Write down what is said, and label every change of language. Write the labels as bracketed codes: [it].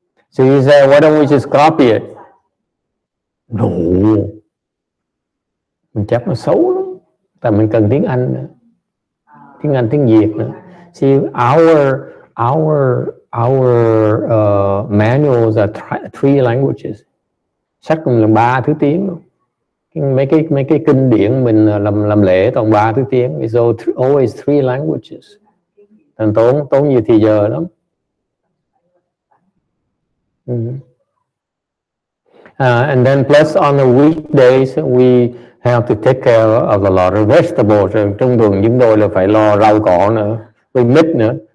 [en] So he said, why don't we just copy it? No. [vi] Mình chắc nó xấu lắm. Tại mình cần tiếng Anh nữa. Tiếng Anh, tiếng Việt nữa. [en] See, our manuals are three languages. [vi] Sách mình là ba thứ tiếng. Mấy cái kinh điển mình làm lễ toàn ba thứ tiếng. [en] So always three languages. [vi] Thành tốn nhiều thì giờ lắm. [en] And then plus on the weekdays we have to take care of a lot of vegetables. [vi] Rồi trong tuần chúng tôi là phải lo rau cỏ nữa, với mít nữa.